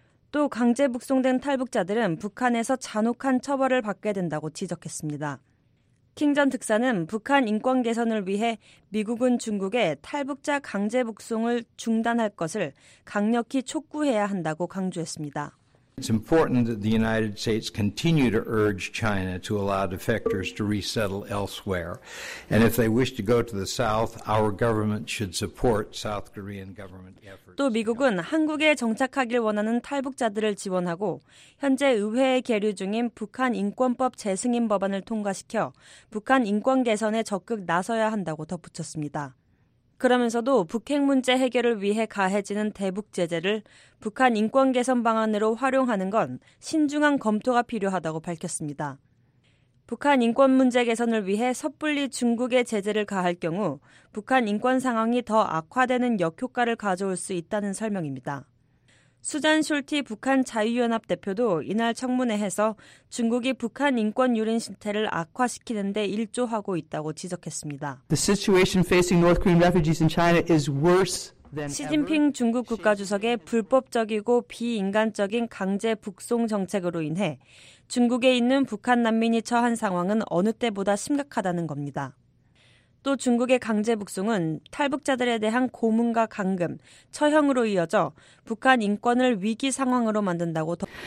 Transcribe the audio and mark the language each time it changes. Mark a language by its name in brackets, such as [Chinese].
[Korean] 또 강제 북송된 탈북자들은 북한에서 잔혹한 처벌을 받게 된다고 지적했습니다. 킹 전 특사는 북한 인권 개선을 위해 미국은 중국에 탈북자 강제 북송을 중단할 것을 강력히 촉구해야 한다고 강조했습니다. [English] It's important that the United States continue to urge China to allow defectors to resettle elsewhere. And if they wish to go to the South, our government should support South Korean government efforts. [Korean] 또 미국은 한국에 정착하길 원하는 탈북자들을 지원하고 현재 의회에 계류 중인 북한 인권법 재승인 법안을 통과시켜 북한 인권 개선에 적극 나서야 한다고 덧붙였습니다. 그러면서도 북핵 문제 해결을 위해 가해지는 대북 제재를 북한 인권 개선 방안으로 활용하는 건 신중한 검토가 필요하다고 밝혔습니다. 북한 인권 문제 개선을 위해 섣불리 중국의 제재를 가할 경우 북한 인권 상황이 더 악화되는 역효과를 가져올 수 있다는 설명입니다. 수잔 숄티 북한 자유연합 대표도 이날 청문회에서 중국이 북한 인권 유린 시태를 악화시키는 데 일조하고 있다고 지적했습니다. [English] The situation facing North Korean refugees in China is worse than ever. [Korean] 시진핑 중국 국가주석의 불법적이고 비인간적인 강제 북송 정책으로 인해 중국에 있는 북한 난민이 처한 상황은 어느 때보다 심각하다는 겁니다. 또 중국의 강제 북송은 탈북자들에 대한 고문과 감금, 처형으로 이어져 북한 인권을 위기 상황으로 만든다고